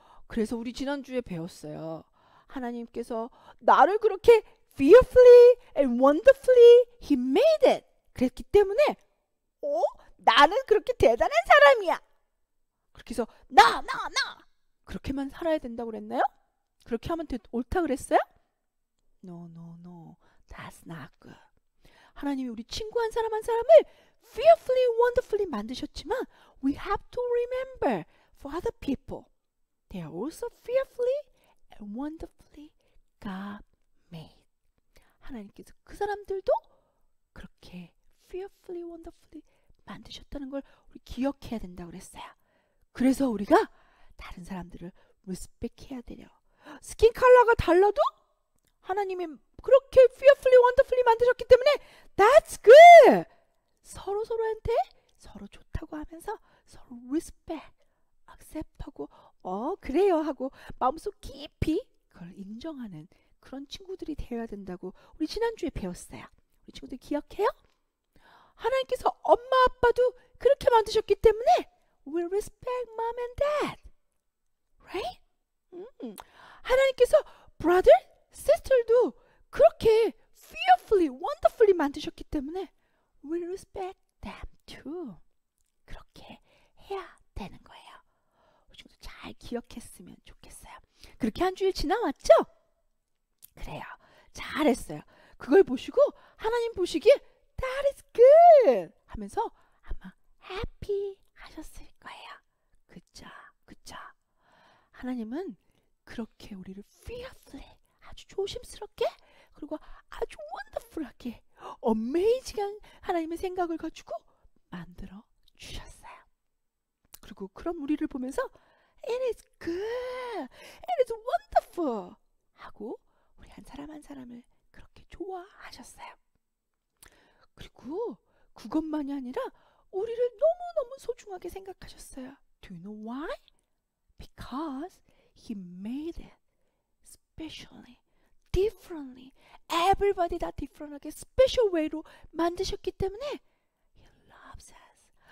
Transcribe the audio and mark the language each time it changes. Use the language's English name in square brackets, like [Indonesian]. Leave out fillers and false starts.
[Korean] 그래서 우리 지난주에 배웠어요. 하나님께서 나를 그렇게 [English] fearfully and wonderfully he made it [Korean] 그랬기 때문에 나는 그렇게 대단한 사람이야. 그렇게 해서 나 그렇게만 살아야 된다고 그랬나요? 그렇게 하면 옳다 그랬어요? [English] No, that's not good. [Korean] 하나님이 우리 친구 한 사람 한 사람을 fearfully, wonderfully 만드셨지만 [English] we have to remember for other people they are also fearfully and wonderfully God made. [Korean] 하나님께서 그 사람들도 그렇게 fearfully, wonderfully 만드셨다는 걸 우리 기억해야 된다고 그랬어요. 그래서 우리가 다른 사람들을 respect해야 돼요. 스킨 컬러가 달라도 하나님이 그렇게 fearfully, wonderfully 만드셨기 때문에 [English] that's good! [Korean] 서로서로한테 서로 좋다고 하면서 서로 respect, accept하고 그래요 하고 마음속 깊이 그걸 인정하는 그런 친구들이 되어야 된다고 우리 지난주에 배웠어요. 우리 친구들 기억해요? 하나님께서 엄마 아빠도 그렇게 만드셨기 때문에 [English] We respect mom and dad. Right? [Korean] 하나님께서 brother, sister도 그렇게 fearfully, wonderfully 만드셨기 때문에 [English] We respect them too. [Korean] 그렇게 해야 되는 거예요. 좀 잘 기억했으면 좋겠어요. 그렇게 한 주일 지나왔죠? 그래요. 잘했어요. 그걸 보시고 하나님 보시기에 [English] That is good! [Korean] 하면서 아마 happy 하셨을 거예요. 그쵸. 하나님은 그렇게 우리를 fearfully, 아주 조심스럽게 그리고 아주 wonderful하게 amazing한 하나님의 생각을 가지고 만들어 주셨어요. 그리고 그런 우리를 보면서 [English] It is good! It is wonderful! [Korean] 하고 우리 한 사람 한 사람을 그렇게 좋아하셨어요. 그리고 그것만이 아니라 우리를 너무너무 소중하게 생각하셨어요. [English] Do you know why? Because he made it specially, differently. Everybody that different하게 special way로 [Korean] 만드셨기 때문에 [English] he loves us.